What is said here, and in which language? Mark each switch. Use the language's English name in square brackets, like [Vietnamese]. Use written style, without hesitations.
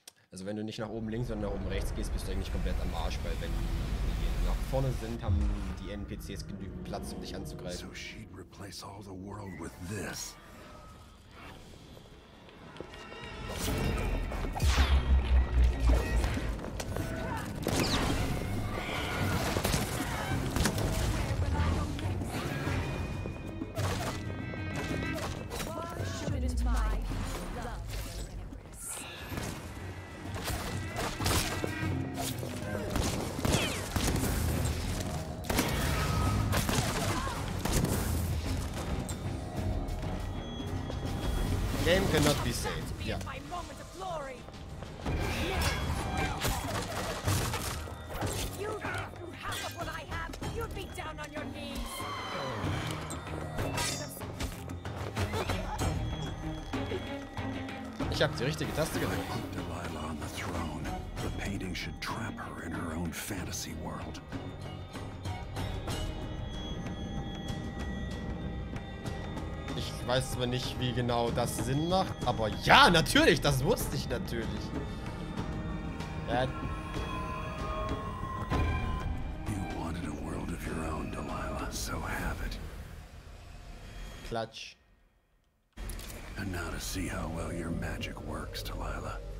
[German] Also wenn du nicht nach oben links, sondern nach oben rechts gehst, bist du eigentlich komplett am Arsch, weil wenn die nach vorne sind, haben die NPCs genügend Platz, um dich anzugreifen. [English] So she'd replace all the world with this. Game cannot be saved. Yeah. [German] Ich habe die richtige Taste gedrückt. [English] Delilah on the throne. The painting should trap her in her own fantasy world. [German] Ich weiß zwar nicht, wie genau das Sinn macht, aber ja, natürlich, das wusste ich natürlich. Ja. [English] You wanted a world of your own, Delilah, so have it. [German] Klatsch. [English] And now to see how well your magic works, Delilah.